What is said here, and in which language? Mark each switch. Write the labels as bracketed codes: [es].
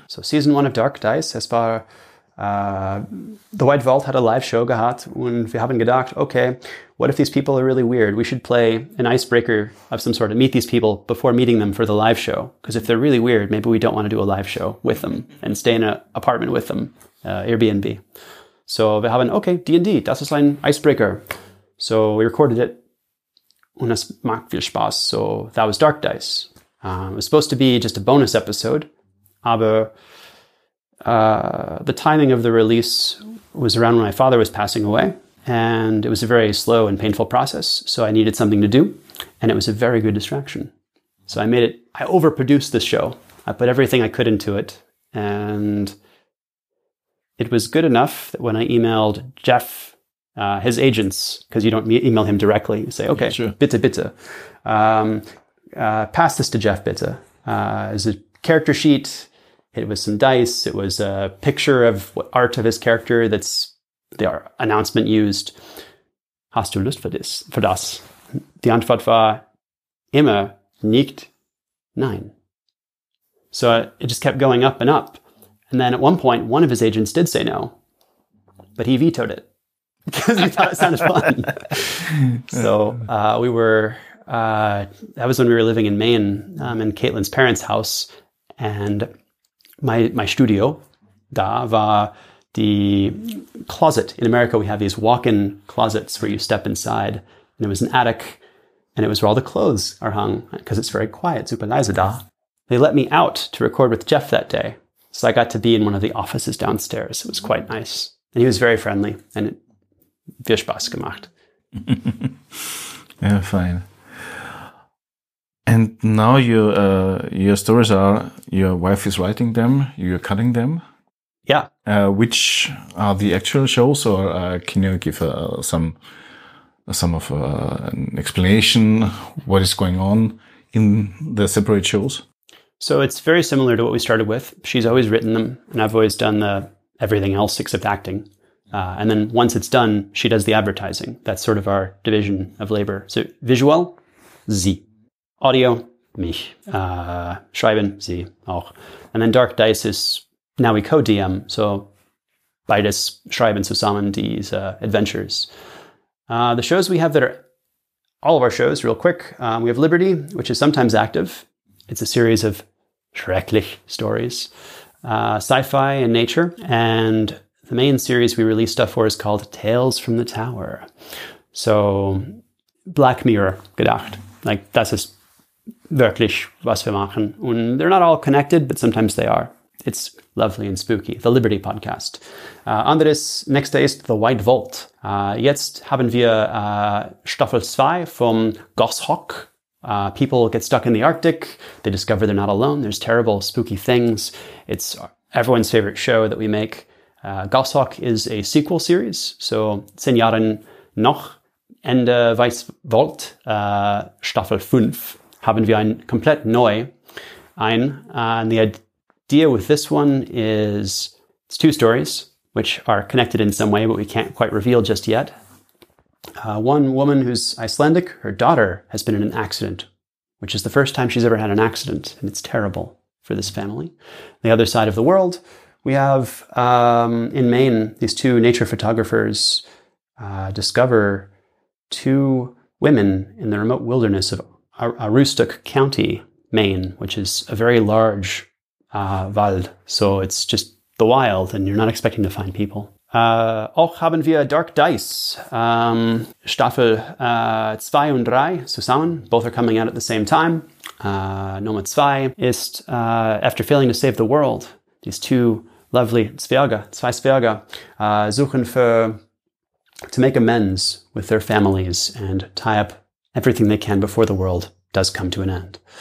[en] So season one of Dark Dice, [de] es war, [en] The White Vault had a live show [de] gehabt und wir haben gedacht, [en] okay, what if these people are really weird? We should play an icebreaker of some sort and meet these people before meeting them for the live show. Because if they're really weird, maybe we don't want to do a live show with them and stay in an apartment with them, Airbnb. [de] So wir haben, okay, D&D, das ist ein icebreaker. [en] So we recorded it [de] und es macht viel Spaß. So, [en] that was Dark Dice. It was supposed to be just a bonus episode, aber the timing of the release was around when my father was passing away, and it was a very slow and painful process, so I needed something to do, and it was a very good distraction. So I made it, I overproduced the show. I put everything I could into it, and it was good enough that when I emailed Jeff, his agents, because you don't email him directly, you say, okay, yeah, sure. [de] Bitte, bitte. [en] Pass this to Jeff, bitte. It was a character sheet. It was some dice. It was a picture of what art of his character that's the announcement used. [de] Hast du Lust für das? Die Antwort war immer nicht nein. [en] So it just kept going up and up. And then at one point, one of his agents did say no, but he vetoed it because he thought it sounded fun. So we were, that was when we were living in Maine, in Caitlin's parents' house. And my studio, [de] da war [en] the closet. In America, we have these walk-in closets where you step inside. And it was an attic, and it was where all the clothes are hung because it's very quiet, super [de] leise da. [en] They let me out to record with Jeff that day. So I got to be in one of the offices downstairs. It was quite nice. And he was very friendly. And it [de] viel Spaß gemacht. [en] Yeah, fine. And now your stories are, your wife is writing them, you're cutting them. Yeah. Which are the actual shows? Or can you give an explanation what is going on in the separate shows? So it's very similar to what we started with. She's always written them, and I've always done the everything else except acting. And then once it's done, she does the advertising. That's sort of our division of labor. [de] So visual, sie. Audio, mich. Schreiben, sie auch. [en] And then Dark Dice is, now we co-DM, so [de] beides schreiben zusammen diese [en] adventures. The shows we have that are, all of our shows, real quick, we have Liberty, which is sometimes active. It's a series of schrecklich stories, sci-fi and nature. And the main series we release stuff for is called Tales from the Tower. [de] So Black Mirror gedacht. Like, das ist wirklich, was wir machen. [en] And they're not all connected, but sometimes they are. It's lovely and spooky. The Liberty podcast. Anderes, next day is The White Vault. [de] Jetzt haben wir Staffel 2 vom Goshawk. [en] People get stuck in the Arctic. They discover they're not alone. There's terrible, spooky things. It's everyone's favorite show that we make. Goshawk is a sequel series. [de] So, 10 Jahren noch, Ende Weiß Vault, Staffel 5, haben wir ein komplett neu ein. [en] And the idea with this one is, it's two stories, which are connected in some way, but we can't quite reveal just yet. One woman who's Icelandic, her daughter has been in an accident, which is the first time she's ever had an accident, and it's terrible for this family. The other side of the world, we have in Maine, these two nature photographers discover two women in the remote wilderness of Aroostook County, Maine, which is a very large Wald. So it's just the wild, and you're not expecting to find people. [de] Auch haben wir Dark Dice, Staffel 2 und 3 zusammen. [en] Both are coming out at the same time. [de] Nummer 2 ist, [en] after failing to save the world, these two lovely [de] Zwerge, suchen für, [en] to make amends with their families and tie up everything they can before the world does come to an end.